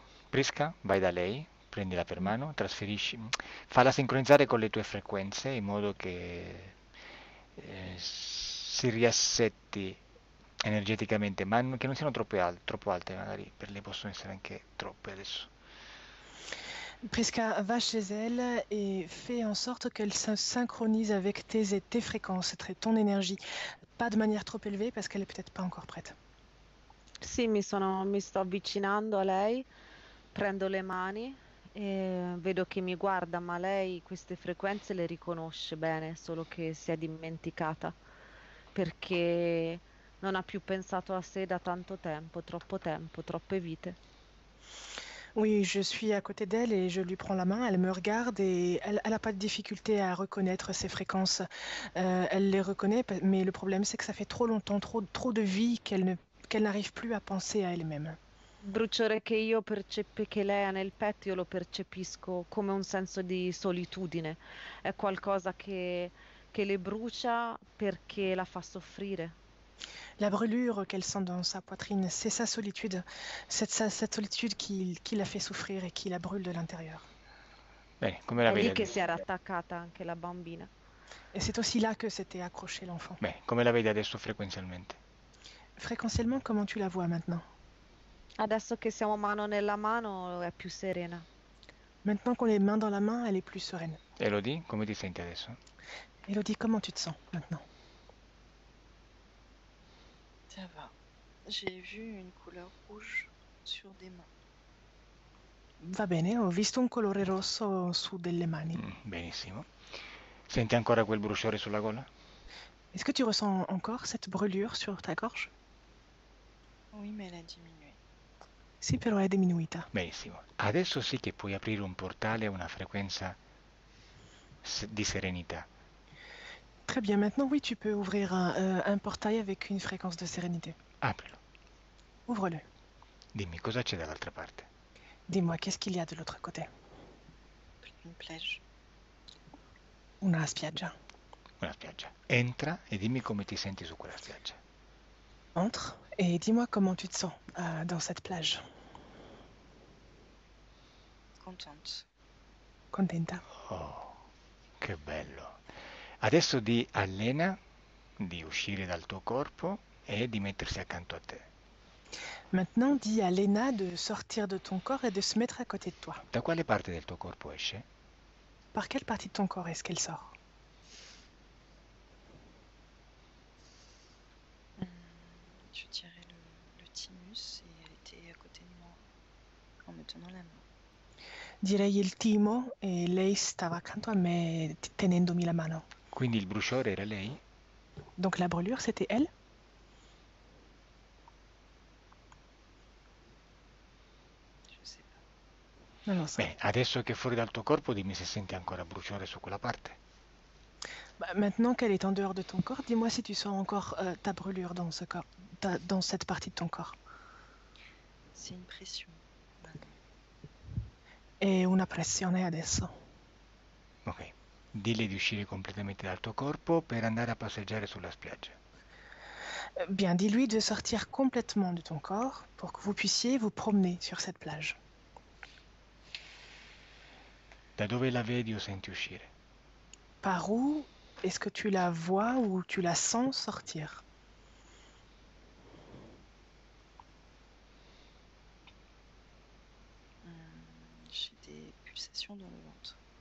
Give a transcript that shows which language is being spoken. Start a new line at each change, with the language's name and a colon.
Italian: Prisca, vai da lei, prendila per mano, trasferisci, falla sincronizzare con le tue frequenze in modo che si riassetti energeticamente, ma che non siano troppo alte, magari per lei possono essere anche troppe adesso.
French: Prisca, va chez elle et fais en sorte qu'elle se synchronise avec tes fréquences, ton énergie. Pas de manière trop élevée parce qu'elle n'est peut-être pas encore prête.
Italian: Sì, mi sto avvicinando a lei, prendo le mani e vedo che mi guarda, ma lei queste frequenze le riconosce bene, solo che si è dimenticata perché non ha più pensato a sé da tanto tempo, troppe vite.
French: Oui, je suis à côté d'elle et je lui prends la main. Elle me regarde et elle n'a pas de difficulté à reconnaître ses fréquences. Elle les reconnaît, mais le problème, c'est que ça fait trop longtemps, trop de vie qu'elle n'arrive plus à penser à elle-même.
Italian: Bruciore che io percepisco, che lei ha nel petto, io lo percepisco come un senso di solitudine. È qualcosa che le brucia perché la fa soffrire.
French: La brûlure qu'elle sent dans sa poitrine, c'est sa solitude, cette solitude qui la fait souffrire et qui la brûle de l'intérieur.
Italian: Bene, come la È vedi lì che si adesso? era attaccata anche la bambina.
French: Et c'est aussi là que s'était accroché l'enfant.
Italian: Bene, come la vedi adesso frequenzialmente?
French: Fréquentiellement, comment tu la vois maintenant?
Italian: Adesso che siamo mano nella mano, è più serena.
French: Maintenant qu'on est main dans la main, elle est plus sereine.
Italian: Elodie, come ti senti adesso?
French: Elodie, comment tu te sens maintenant? Ça va. J'ai vu une couleur rouge sur des mains.
Italian: Va bene, ho visto un colore rosso su delle mani.
French: Est-ce
Italian: Benissimo. Senti ancora quel bruciore sulla gola?
French: que tu ressens encore cette brûlure sur ta gorge? Oui, mais elle a diminué.
Italian: Sì, però è diminuita. Benissimo, adesso sì che puoi aprire un portale a una frequenza di serenità.
French: Très bien, maintenant oui, tu peux ouvrir un portail avec une fréquence de sérénité.
Italian: Aprilo.
French: Ouvre-le.
Italian: Dimmi cosa c'è dall'altra parte.
French: Dis-moi, qu'est-ce qu'il y a de l'autre côté? Une plage.
Italian: Una spiaggia. Una spiaggia. Entra e dimmi come ti senti su quella spiaggia.
French: Entre et dis-moi comment tu te sens dans cette plage. Contente.
Italian: Contenta. Che bello. Adesso di allena, di uscire dal tuo corpo e di mettersi accanto a te.
French: Maintenant, dis à Lena de sortir de ton corps et de se mettre à côté de toi.
Italian: Da quale parte del tuo corpo esce?
French: Par quelle partie de ton corps est-ce qu'elle sort? Je tirais le thymus et elle était à côté de moi en me tenant la main.
Italian: Direi il timo e lei stava accanto a me tenendomi la mano. Quindi il bruciore era lei?
French: Donc la brûlure, c'était elle?
Italian: Non lo so. Beh, adesso che è fuori dal tuo corpo, dimmi se senti ancora bruciore su quella parte.
French: Bah, maintenant qu'elle est en dehors de ton corps, dis-moi si tu sens encore ta brûlure dans ce corps, dans cette partie de ton corps. C'est une pression maintenant.
Italian: Et una pressione adesso. Ok. Dille di uscire completamente dal tuo corpo per andare a passeggiare sulla spiaggia.
French: Bien, dis-lui de sortir complètement de ton corps pour que vous puissiez vous promener sur cette plage.
Italian: Da dove la vedi o senti uscire?
French: Par où est-ce que tu la vois ou tu la sens sortir? J'ai des pulsations dans le ventre.